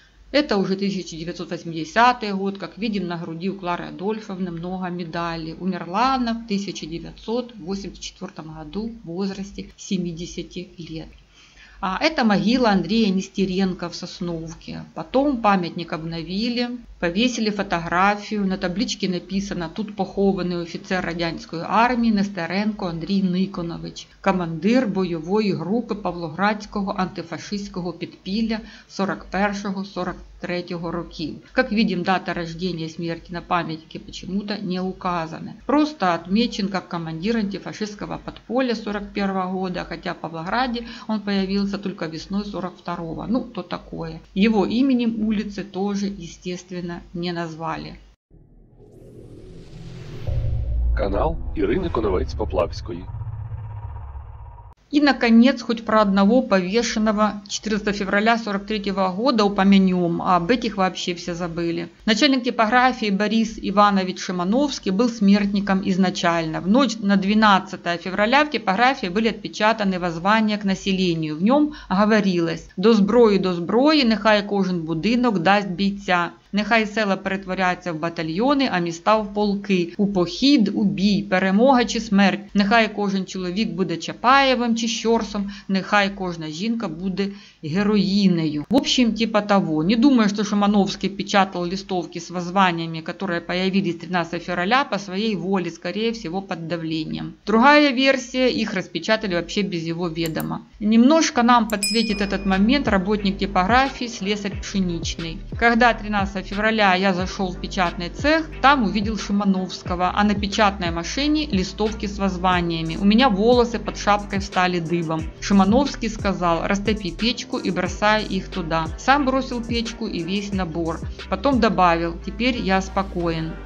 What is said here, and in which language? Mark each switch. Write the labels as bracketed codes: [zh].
[ru] Это уже 1980 год. Как видим, на груди у Клары Адольфовны много медалей. Умерла она в 1984 году в возрасте 70 лет. А это могила Андрея Нестеренко в Сосновке. Потом памятник обновили, повесили фотографию. На табличке написано: [uk] «Тут похований офіцер радянської армії Нестеренко Андрій Никонович, командир бойової групи Павлоградського антифашистського підпілля 41-43 років». [ru] Как видим, дата рождения и смерти на памятнике почему-то не указана. Просто отмечен как командир антифашистского подполья 41 года, хотя в Павлограде он появился только весной 42-го. Ну, то такое. Его именем улицы тоже, естественно, не назвали. Канал Ирины Коновець-Поплавської. И, наконец, хоть про одного повешенного 14 февраля 43 года упомянем, а об этих вообще все забыли. Начальник типографии Борис Иванович Шимановский был смертником изначально. В ночь на 12 февраля в типографии были отпечатаны воззвания к населению. В нем говорилось: [uk] «До зброї, нехай кожен будинок дасть бійця». Нехай села перетворяться в батальйони, а міста в полки. У похід, у бій, перемога чи смерть. Нехай кожен чоловік буде Чапаєвим чи Щорсом. Нехай кожна жінка буде героїнею. [ru] В общем, типа того. [uk] Не думаю, що Шимановський печатав листовки з воззваннями, які появились 13 февраля, по своїй волі, [ru] скорее всего, [uk] під давлением. [ru] Другая [uk] версія, їх розпечатали вообще без його відома. [ru] Немножко нам [uk] підсвітить [ru] этот момент работник [uk] типографії [ru] слесарь Пшеничний. Когда 13 февраля я зашел в печатный цех, там увидел Шимановского, а на печатной машине листовки с воззваниями. У меня волосы под шапкой встали дыбом. Шимановский сказал: «Растопи печку и бросай их туда». Сам бросил печку и весь набор. Потом добавил: «Теперь я спокоен».